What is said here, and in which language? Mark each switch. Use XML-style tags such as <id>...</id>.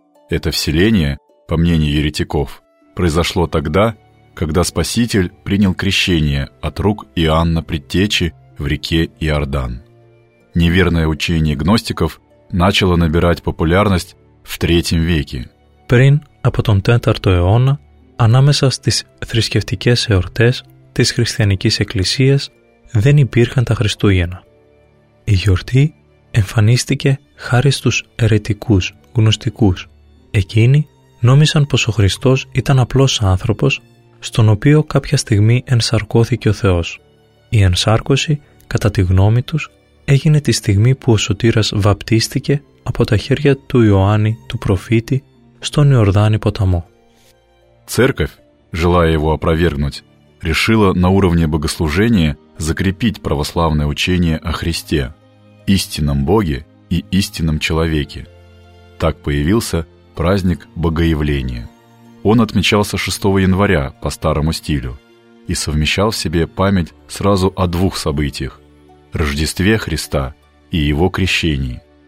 <ru>Это вселение, по мнению еретиков, произошло тогда, когда Спаситель принял крещение от рук Иоанна Предтечи в реке Иордан. Неверное учение гностиков начало набирать популярность в третьем веке.</ru> <el>Πριν από τον 4ο αιώνα, ανάμεσα στις θρησκευτικές εορτές της Χριστιανικής Εκκλησίας, δεν υπήρχαν τα Χριστούγεννα. Η γιορτή εμφανίστηκε χάρη στους αιρετικούς γνωστικούς. Εκείνοι νόμισαν πως ο Χριστός ήταν απλός άνθρωπος, στον οποίο κάποια στιγμή ενσαρκώθηκε ο Θεός. Η ενσάρκωση, κατά τη γνώμη τους, έγινε τη στιγμή που ο Σωτήρας βαπτίστηκε από τα χέρια του Ιωάννη, του προφήτη, στον Ιορδάνη ποταμό.</el> <ru>Церковь, желая его опровергнуть, решила на уровне богослужения закрепить православное учение о Христе, истинном Боге и истинном человеке. Так появился праздник Богоявления. Он отмечался 6 января по старому стилю и совмещал в себе память сразу о двух событиях – Рождестве Христа и Его крещении.</ru>